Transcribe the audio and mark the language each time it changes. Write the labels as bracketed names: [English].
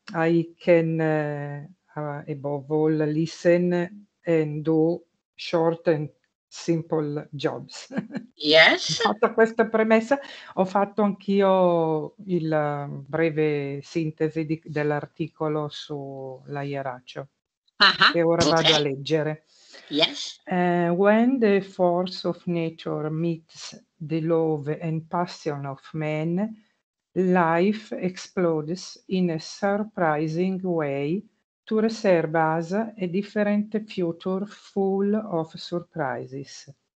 [English] I can above all listen and do short and simple jobs. Yes. [Italian] Fatto questa premessa, ho fatto anch'io il breve sintesi dell'articolo sulla Iaraccio, che ora vado a leggere. [English] Yes. When the force of nature meets the love and passion of man, life explodes in a surprising way to reserve us a different future full of surprises.